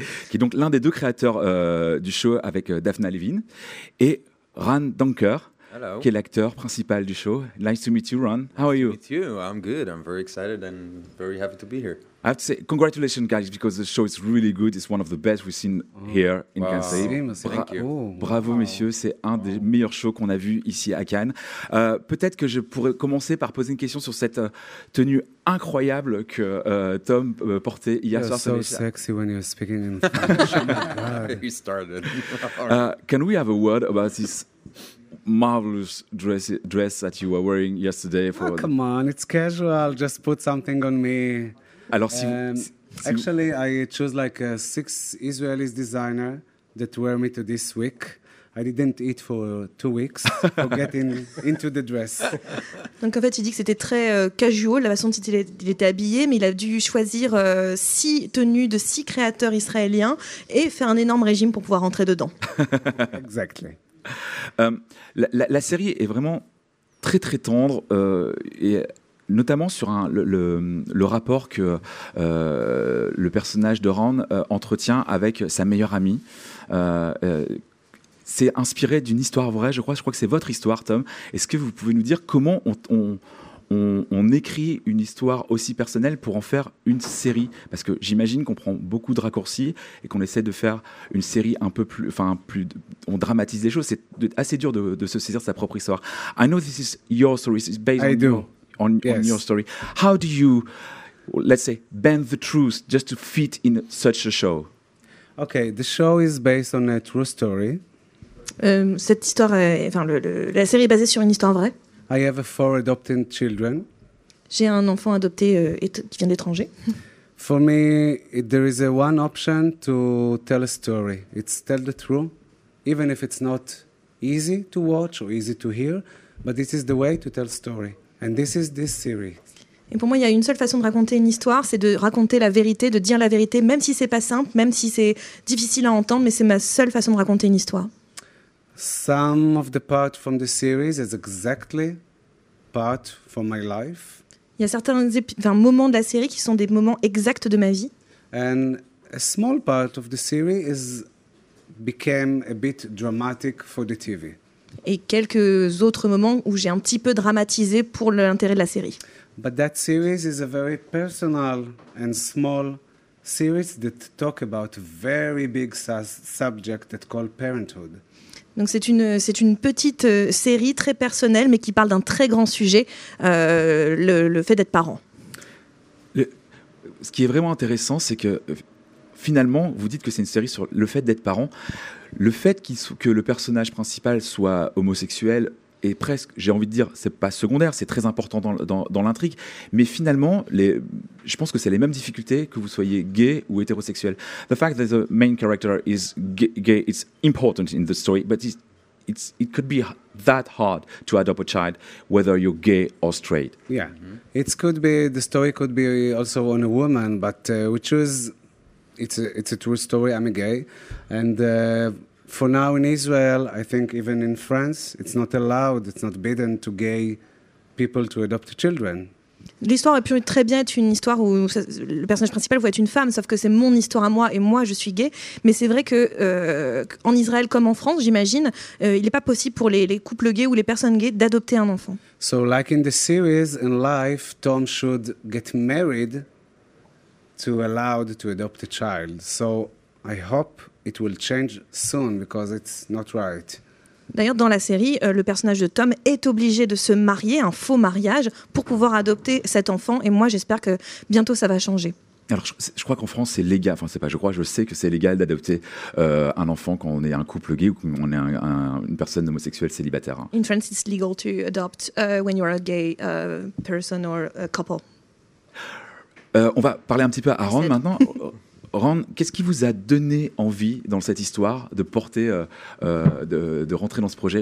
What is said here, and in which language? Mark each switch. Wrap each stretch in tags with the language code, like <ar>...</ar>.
<fr>Qui est donc l'un des deux créateurs du show avec Daphna Levine et Ran Dunker.</fr> <en>Hello.</en> <fr>Qui est l'acteur principal du show.</fr> <en>Nice to meet you, Ran. Nice. How are you? To meet you. I'm good. I'm very excited and very happy to be here. I have to say congratulations, guys, because the show is really good. It's one of the best we've seen here in Cannes. Wow. Thank you.</en> <fr>Bravo, messieurs. C'est un des meilleurs shows qu'on a vu ici à Cannes. Peut-être que je pourrais commencer par poser une question sur cette tenue incroyable que Tom portait hier soir.</fr> <en>You're so sexy when you're speaking in French. He started. Can we have a word about this marvelous dress that you were wearing yesterday? For come on, it's casual. Just put something on me.</en> <fr>Alors,</fr> <en>I chose like six Israeli designer that wear me to this week. I didn't eat for 2 weeks to get into the dress.</en> <fr>Donc en fait, il dit que c'était très casual la façon dont il était habillé, mais il a dû choisir six tenues de six créateurs israéliens et faire un énorme régime pour pouvoir rentrer dedans.</fr> <en>Exactly.</en> <fr>La série est vraiment très très tendre et notamment sur le rapport que le personnage de Ran entretient avec sa meilleure amie. C'est inspiré d'une histoire vraie, je crois que c'est votre histoire, Tom. Est-ce que vous pouvez nous dire comment on écrit une histoire aussi personnelle pour en faire une série? Parce que j'imagine qu'on prend beaucoup de raccourcis et qu'on essaie de faire une série un peu plus... on dramatise les choses. C'est assez dur de se saisir sa propre histoire.</fr> <en>I know this is your story. It's based on your story. How do you, let's say, bend the truth just to fit in such a show? Okay, the show is based on a true story.</en> <fr>Cette histoire, la série est basée sur une histoire vraie.</fr> <en>I have four adopted children.</en> <fr>J'ai un enfant adopté qui vient d'étranger.</fr> <en>For me, there is one option to tell a story. It's tell the truth, even if it's not easy to watch or easy to hear, but this is the way to tell a story. And this is this series.</en> <fr>Et pour moi, il y a une seule façon de raconter une histoire, c'est de raconter la vérité, de dire la vérité, même si c'est pas simple, même si c'est difficile à entendre, mais c'est ma seule façon de raconter une histoire.</fr> <en>Some of the part from the series is exactly part from my life.</en> <fr>Il y a certains moments de la série qui sont des moments exacts de ma vie.</fr> <en>And a small part of the series became a bit dramatic for the TV.</en> <fr>Et quelques autres moments où j'ai un petit peu dramatisé pour l'intérêt de la série.</fr> <en>But that series is a very personal and small series that talk about very big subject that called parenthood.</en> <fr>Donc c'est une petite série très personnelle mais qui parle d'un très grand sujet, le fait d'être parent. Ce qui est vraiment intéressant, c'est que finalement, vous dites que c'est une série sur le fait d'être parent. Le fait que le personnage principal soit homosexuel est presque, j'ai envie de dire, c'est pas secondaire, c'est très important dans l'intrigue. Mais finalement, je pense que c'est les mêmes difficultés que vous soyez gay ou hétérosexuel.</fr> <en>The fact that the main character is gay is important in the story, but it could be that hard to adopt a child, whether you're gay or straight. Yeah, it could be, the story could be also on a woman, but we choose, it's a true story, I'm a gay. And for now in Israel, I think even in France, it's not allowed, it's not forbidden to gay people to adopt children.</en> <fr>L'histoire aurait pu très bien être une histoire où le personnage principal va être une femme, sauf que c'est mon histoire à moi et moi je suis gay. Mais c'est vrai que en Israël comme en France, j'imagine, il n'est pas possible pour les couples gays ou les personnes gays d'adopter un enfant.</fr> <en>So like in the series, in life, Tom should get married to allowed to adopt a child. So I hope it will change soon because it's not right.</en> <fr>D'ailleurs, dans la série, le personnage de Tom est obligé de se marier, un faux mariage, pour pouvoir adopter cet enfant. Et moi, j'espère que bientôt, ça va changer. Alors, je crois qu'en France, c'est légal. Enfin, c'est pas, je crois, je sais que c'est légal d'adopter un enfant quand on est un couple gay ou quand on est une personne homosexuelle célibataire.</fr> <en>In France, it's legal to adopt when you're a gay person or a couple.</en> <fr>On va parler un petit peu à Aaron maintenant. Rand, qu'est-ce qui vous a donné envie dans cette histoire de porter, de rentrer dans ce projet?</fr>